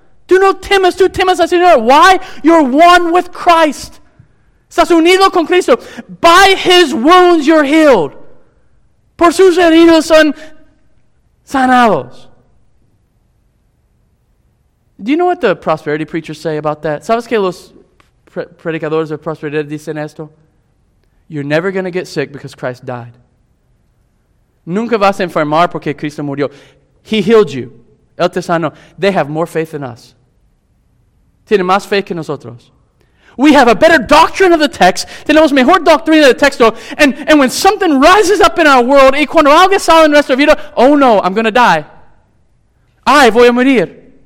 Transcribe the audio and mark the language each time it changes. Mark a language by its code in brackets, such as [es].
[es] Tú no temes, tú temes al Señor. [en] Why? You're one with Christ. [es] Estás unido con Cristo. [en] By His wounds you're healed. [es] Por sus heridos son sanados. [en] Do you know what the prosperity preachers say about that? [es] ¿Sabes que los predicadores de prosperidad dicen esto? [en] You're never going to get sick because Christ died. [es] Nunca vas a enfermar porque Cristo murió. [en] He healed you. [es] Él te sanó. [en] They have more faith than us. [es] Tienen más fe que nosotros. [en] We have a better doctrine of the text. [es] Tenemos mejor doctrina del texto. [en] And when something rises up in our world, [es] y cuando algo sale en nuestra vida, [en] oh no, I'm going to die. [es] Ay, voy a morir.